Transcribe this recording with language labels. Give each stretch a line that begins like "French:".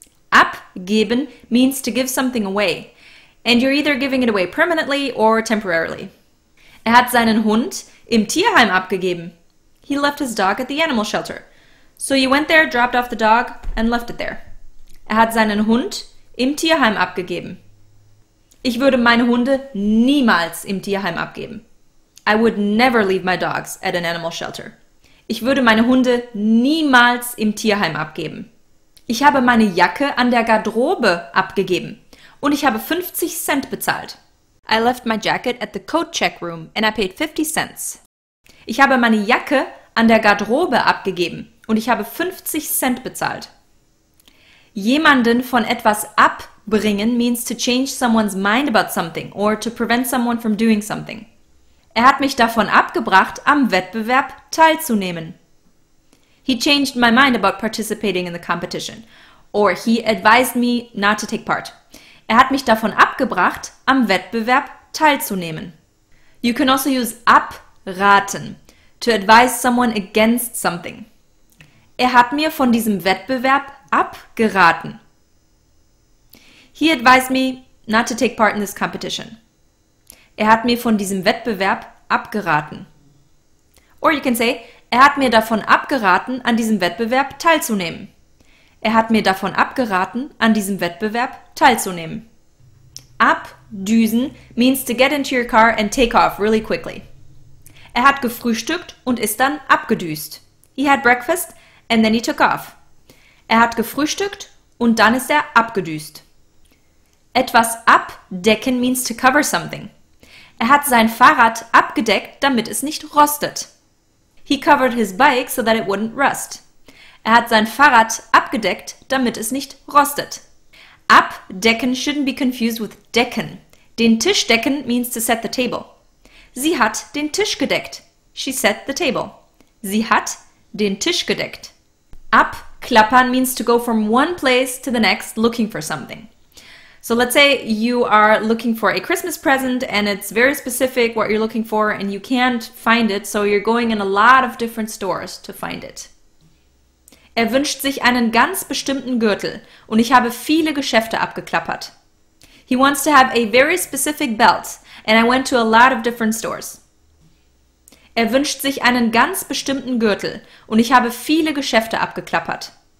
English: Abgeben means to give something away. And you're either giving it away permanently or temporarily.
German: Er hat seinen Hund im Tierheim abgegeben.
English: He left his dog at the animal shelter. So you went there, dropped off the dog and left it there.
German: Er hat seinen Hund im Tierheim abgegeben. Ich würde meine Hunde niemals im Tierheim abgeben.
English: I would never leave my dogs at an animal shelter.
German: Ich würde meine Hunde niemals im Tierheim abgeben. Ich habe meine Jacke an der Garderobe abgegeben. Und ich habe 50 Cent bezahlt.
English: I left my jacket at the coat check room and I paid 50 cents.
German: Ich habe meine Jacke an der Garderobe abgegeben und ich habe 50 Cent bezahlt.
English: Jemanden von etwas abbringen means to change someone's mind about something or to prevent someone from doing something.
German: Er hat mich davon abgebracht, am Wettbewerb teilzunehmen.
English: He changed my mind about participating in the competition or he advised me not to take part.
German: Er hat mich davon abgebracht, am Wettbewerb teilzunehmen.
English: You can also use abraten, to advise someone against something.
German: Er hat mir von diesem Wettbewerb abgeraten.
English: He advised me not to take part in this competition.
German: Er hat mir von diesem Wettbewerb abgeraten.
English: Or you can say,
German: er hat mir davon abgeraten, an diesem Wettbewerb teilzunehmen. Er hat mir davon abgeraten, an diesem Wettbewerb teilzunehmen.
English: Abdüsen means to get into your car and take off really quickly.
German: Er hat gefrühstückt und ist dann abgedüst.
English: He had breakfast and then he took off.
German: Er hat gefrühstückt und dann ist er abgedüst.
English: Etwas abdecken means to cover something.
German: Er hat sein Fahrrad abgedeckt, damit es nicht rostet.
English: He covered his bike so that it wouldn't rust.
German: Er hat sein Fahrrad abgedeckt, damit es nicht rostet.
English: Abdecken shouldn't be confused with decken. Den Tisch decken means to set the table.
German: Sie hat den Tisch gedeckt.
English: She set the table.
German: Sie hat den Tisch gedeckt.
English: Abklappern means to go from one place to the next looking for something. So let's say you are looking for a Christmas present and it's very specific what you're looking for and you can't find it, so you're going in a lot of different stores to find it.
German: Er wünscht sich einen ganz bestimmten Gürtel und ich habe viele Geschäfte abgeklappert.
English: He wants to have a very specific belt and I went to a lot of different stores.
German: Er wünscht sich einen ganz bestimmten Gürtel und ich habe viele Geschäfte abgeklappert.